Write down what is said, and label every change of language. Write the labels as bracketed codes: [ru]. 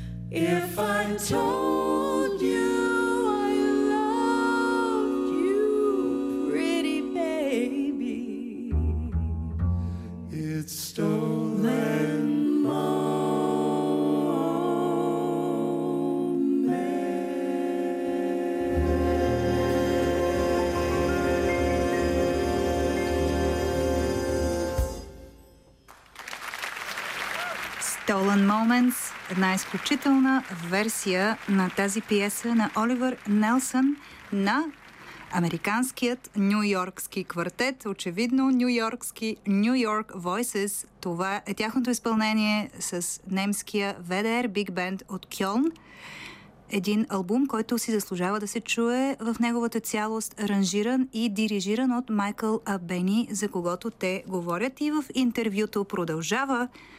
[en] If I told you I loved you, pretty baby, it's stolen moments. Stolen moments. [bg] Една изключителна версия на тази пиеса на Оливър Нелсън на американският нью-йоркски квартет. Очевидно, нью-йоркски New York Voices. Това е тяхното изпълнение с немския ВДР Big Band от Кьолн. Един албум, който си заслужава да се чуе в неговата цялост, аранжиран и дирижиран от Майкъл Абени, за когото те говорят и в интервюто продължава.